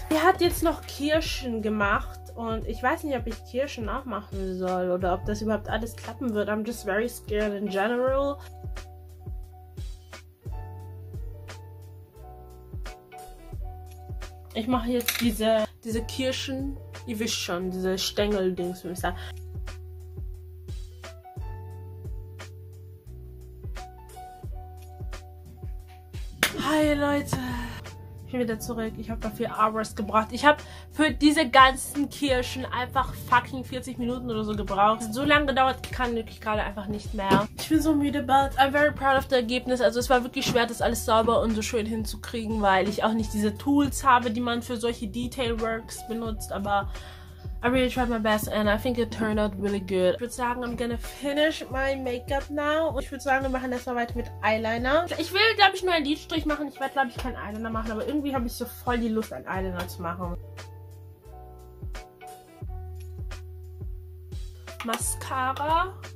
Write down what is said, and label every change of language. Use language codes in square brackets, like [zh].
[de] Sie hat jetzt noch Kirschen gemacht. Und ich weiß nicht, ob ich Kirschen nachmachen soll oder ob das überhaupt alles klappen wird. [en] I'm just very scared in general. [de] Ich mache jetzt diese Kirschen. Ihr wisst schon, diese Stängel-Dings, wie ich sage. Hi Leute, ich bin wieder zurück. Ich habe dafür Hours gebraucht. Ich habe für diese ganzen Kirschen einfach fucking 40 Minuten oder so gebraucht. Es hat so lange gedauert, ich kann wirklich gerade einfach nicht mehr. Ich bin so müde, [en] but I'm very proud of the [de] Ergebnis. Also es war wirklich schwer, das alles sauber und so schön hinzukriegen, weil ich auch nicht diese Tools habe, die man für solche Detailworks benutzt. [en] Aber I really tried my best and I think it turned out really good. [de] Ich würde sagen, [en] I'm gonna finish my makeup now. [de] Und ich würde sagen, wir machen erstmal weiter mit Eyeliner. Ich will, glaube ich, nur einen Lidstrich machen. Ich werde, glaube ich, keinen Eyeliner machen. Aber irgendwie habe ich so voll die Lust, einen Eyeliner zu machen. Mascara.